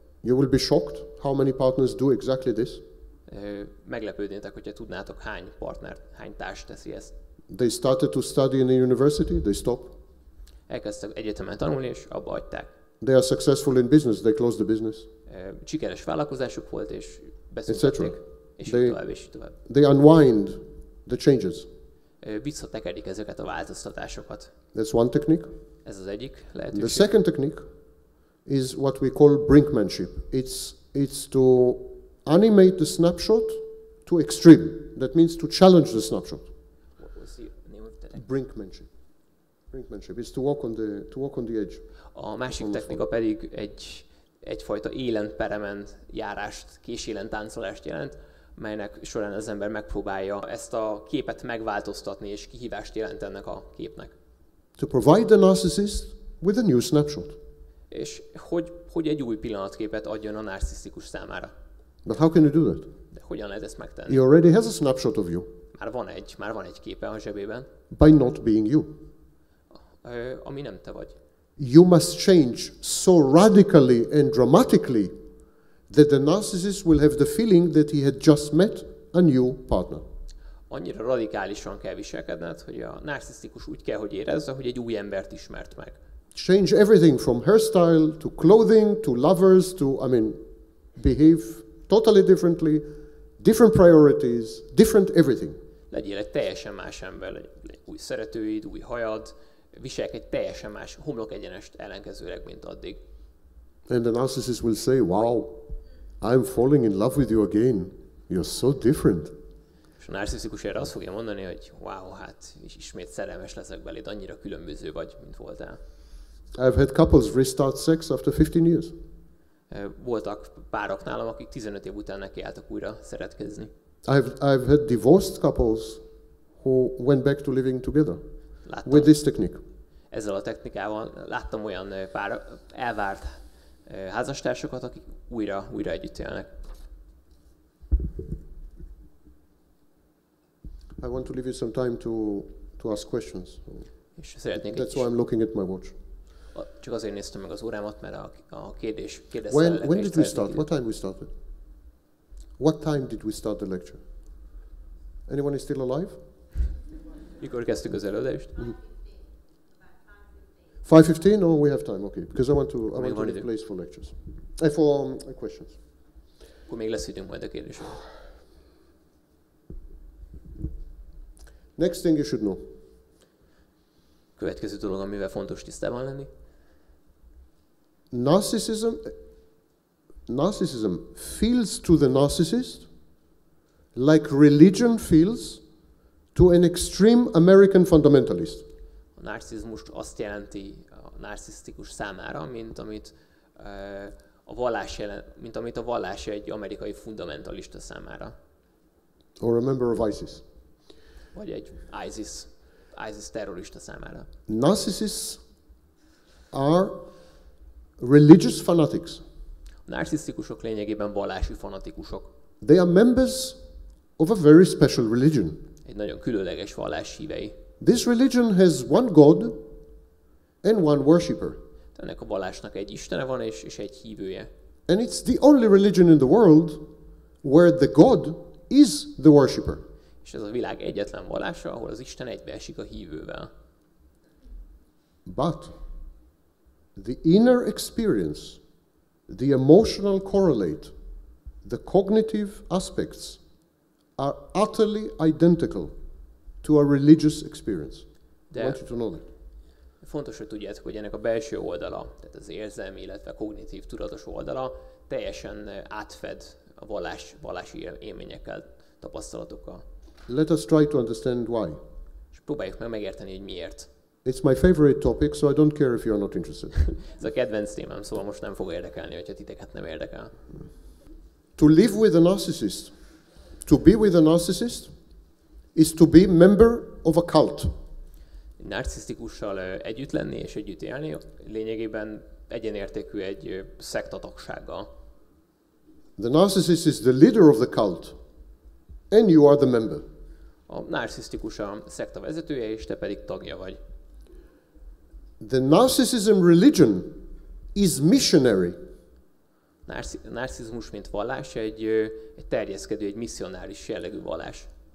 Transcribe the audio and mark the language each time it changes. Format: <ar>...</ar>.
<en>You will be shocked how many partners do exactly this.</en> <hu>Meglepődnétek, hogyha tudnátok, hány partner, hány társ teszi ezt.</hu> <en>They started to study in a university, they stop.</en> <hu>Elkezdtek egyetemen tanulni, és abba hagyták.</hu> <en>They are successful in business, they close the business.</en> <hu>Sikeres vállalkozásuk volt, és beszüntették, és így tovább, és így tovább.</hu> <en>They unwind the changes.</en> <hu>Visszatekerik ezeket a változtatásokat.</hu> <en>That's one technique.</en> <hu>Ez az egyik lehetőség.</hu> <en>The second technique is what we call brinkmanship. It's to animate the snapshot to extreme. That means to challenge the snapshot. What was the name of the brinkmanship. Brinkmanship is to walk on the edge.</en> <hu>A másik technika pedig egyfajta élen peremen járást, kísélen táncolást jelent, melynek során az ember megpróbálja ezt a képet megváltoztatni és kihívást jelent ennek a képnek.</hu> <en>To provide the narcissist with a new snapshot.</en> <hu>És hogy egy új pillanatképet adjon a narcisztikus számára.</hu> <en>But how can you do that?</en> <hu>De hogyan lehet ezt megtenni?</hu> <en>He already has a snapshot of you.</en> <hu>Már van egy képe a zsebében.</hu> <en>By not being you.</en> <hu>Ami nem te vagy.</hu> <en>You must change so radically and dramatically that the narcissist will have the feeling that he had just met a new partner.</en> <hu>Annyira radikálisan kell viselkedned, hogy a narcisztikus úgy kell, hogy érezze, hogy egy új embert ismert meg.</hu> <en>Change everything from hairstyle to clothing to lovers to, I mean, behave totally differently, different priorities, different everything.</en> <hu>Legyél egy teljesen más ember, új szeretőid, új hajad, viselkedj egy teljesen más homlok egyenest ellenkezőleg, mint addig.</hu> <en>And the narcissist will say, wow, I'm falling in love with you again. You're so different.</en> <hu>És a narcisztikus erre azt fogja mondani, hogy wow, hát ismét szerelmes leszek beléd, annyira különböző vagy, mint voltál.</hu> <en>I've had couples restart sex after 15 years.</en> <hu>Voltak párok nálam, akik 15 év után nekiálltak újra szeretkezni.</hu> <en>I've had divorced couples who went back to living together with this technique.</en> <hu>Ezzel a technikával láttam olyan pár elvált házastársokat, akik újra együtt élnek.</hu> <en>I want to leave you some time to ask questions.</en> <hu>És szeretnék.</hu> <en>That's why I'm looking at my watch.</en> <hu>Csak azért néztem meg az órámat, mert a kérdés kérdezte.</hu> <en>When did we start? What time we started? What time did we start the lecture? Anyone is still alive?</en> <hu>Mikor kezdtük az előadást?</hu> <en>5:15? No, we have time. Okay, because I want to leave place for lectures. For questions.</en> <hu>Akkor még lesz időm majd a kérdésre.</hu> <en>Next thing you should know.</en> <hu>Következő dolog, amivel fontos tisztában lenni.</hu> <en>Narcissism feels to the narcissist like religion feels to an extreme American fundamentalist.</en> <hu>A narcizmus azt jelenti a narcisztikus számára, mint amit a vallás egy amerikai fundamentalista számára.</hu> <en>Or a member of ISIS.</en> <hu>Vagy egy ISIS terrorista számára.</hu> <en>Narcissists are religious fanatics.</en> <hu>Narcisztikusok lényegében vallási fanatikusok.</hu> <en>They are members of a very special religion.</en> <hu>Egy nagyon különleges vallás hívei.</hu> <en>This religion has one god and one worshipper.</en> <hu>Ennek a vallásnak egy istene van és egy hívője.</hu> <en>And it's the only religion in the world where the god is the worshipper.</en> <hu>És ez a világ egyetlen vallása, ahol az isten egybeesik a hívővel.</hu> <en>But the inner experience, the emotional correlate, the cognitive aspects are utterly identical to a religious experience.</en> <hu>De</hu> <en>I want you to know that.</en> <hu>Fontos, hogy tudjátok, hogy ennek a belső oldala, tehát az érzelmi, illetve kognitív, tudatos oldala teljesen átfed a vallási élményekkel, tapasztalatokkal.</hu> <en>Let us try to understand why.</en> <hu>És próbáljuk meg megérteni, hogy miért.</hu> <en>It's my favorite topic, so I don't care if you are not interested.</en> <hu>Ez a kedvenc témám, szóval most nem fog érdekelni, hogyha titeket nem érdekel.</hu> <en>To live with a narcissist, to be with a narcissist, is to be member of a cult.</en> <hu>Narcisztikussal együtt lenni és együtt élni lényegében egyenértékű egy szektatagsággal.</hu> <en>The narcissist is the leader of the cult, and you are the member.</en> <hu>A narcisztikus a szekta vezetője, és te pedig tagja vagy.</hu> <en>The narcissism religion is missionary.</en> <hu>Narcissism, mint vallás, egy terjeszkedő, egy misszionáris jellegű vallás.</hu>